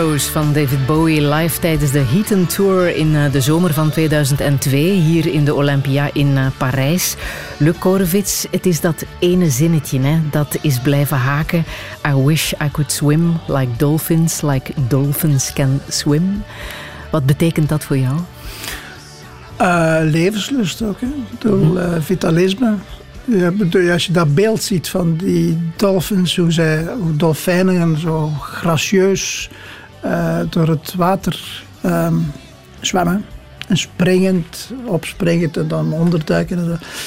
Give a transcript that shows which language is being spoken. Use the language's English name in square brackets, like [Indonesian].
[Dutch] Van David Bowie live tijdens de Heaton Tour in de zomer van 2002 hier in de Olympia in Parijs. Le Corvitz, het is dat ene zinnetje, hè, dat is blijven haken. [English] I wish I could swim like dolphins can swim. [Dutch] Wat betekent dat voor jou? Levenslust ook, hè. Doel, vitalisme. Ja, als je dat beeld ziet van die dolphins, hoe dolfijnen zo gracieus door het water zwemmen en springend, opspringend en dan onderduiken.